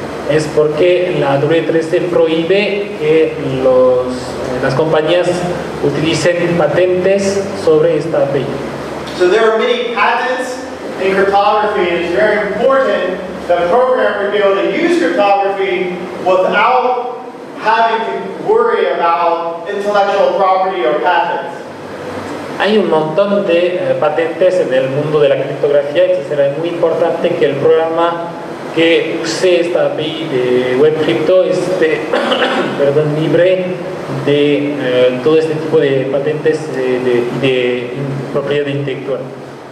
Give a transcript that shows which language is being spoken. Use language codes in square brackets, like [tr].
[es] Es porque la W3C prohíbe que los, las compañías utilicen patentes sobre esta API. [en] So there are many patents in cryptography, and it's very important that programmers be able to use cryptography without having to worry about intellectual property or patents. [es] Hay un montón de patentes en el mundo de la criptografía, entonces será muy importante que el programa que use esta API de Web Crypto esté perdón, libre de todo este tipo de patentes de propiedad intelectual.